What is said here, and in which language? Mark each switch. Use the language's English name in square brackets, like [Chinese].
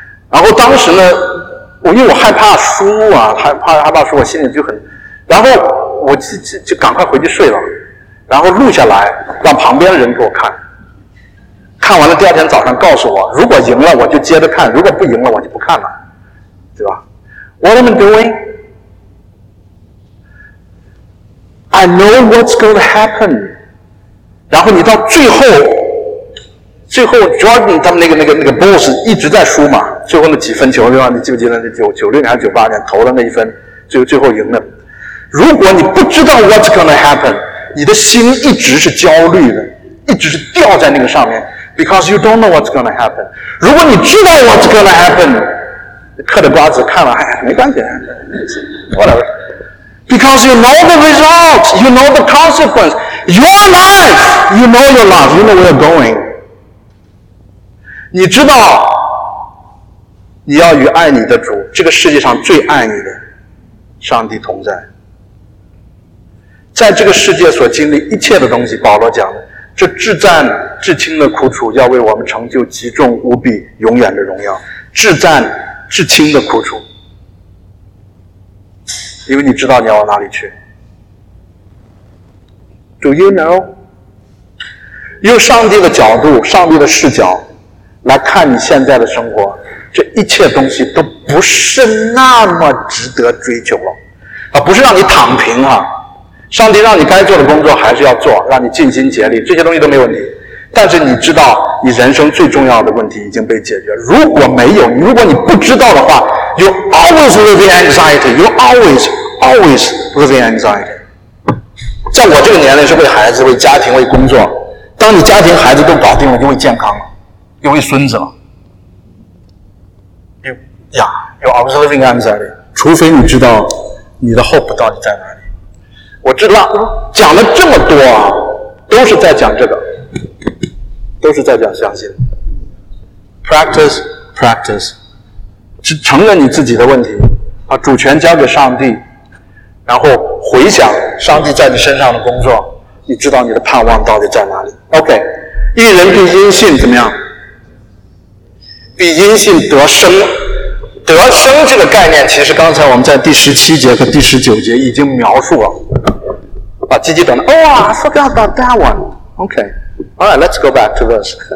[Chinese] 然后当时呢，因为我害怕输，我心里就很，然后我就赶快回去睡了，然后录下来让旁边的人给我看，看完了第二天早上告诉我，如果赢了我就接着看，如果不赢了我就不看了，对吧？ [English] What am I doing? I know what's going to happen. [Chinese] 然后你到最后 Jordan 他们那个 Bulls 一直在输嘛，最后那几分球对吧？你记不记得那96年还是98年投的那一分，最后赢了。如果你不知道 [English] what's going to happen, [Chinese] 你的心一直是焦虑的，一直是吊在那个上面， [English] because you don't know what's going to happen. [Chinese] 如果你知道 [English] what's going to happen, [Chinese] 嗑着瓜子看了，哎呀，没关系， [English] whatever. Because you know the results, you know the consequence. Your life, you know your life, you know where you're going. [Chinese] 你知道你要与爱你的主，这个世界上最爱你的上帝同在。在这个世界所经历一切的东西，保罗讲的，这至暂至轻的苦楚要为我们成就极重无比永远的荣耀。至暂至轻的苦楚因为你知道你要往哪里去。 [English] Do you know? [Chinese] 用上帝的角度，上帝的视角来看你现在的生活，这一切东西都不是那么值得追求了。不是让你躺平啊，上帝让你该做的工作还是要做，让你尽心竭力，这些东西都没问题。但是你知道你人生最重要的问题已经被解决。如果没有，如果你不知道的话， [English] You always live in anxiety. You always, always live in anxiety. [Chinese] 在我这个年龄是为孩子，为家庭，为工作。当你家庭孩子都搞定了，就会健康了，就会孙子了。 [English] You always live in anxiety. [Chinese] 除非你知道你的 hope 到底在哪里。我知道讲了这么多啊，都是在讲这个，都是在讲相信。 [English] Practice, practice. [Chinese] 是承认你自己的问题，把主权交给上帝，然后回想上帝在你身上的工作，你知道你的盼望到底在哪里。 OK, 一人必因信怎么样？必因信得生。得生这个概念，其实刚才我们在第十七节和第十九节已经描述了。把鸡鸡等了。 [English] Oh, I forgot about that one. Okay. Alright, let's go back to this.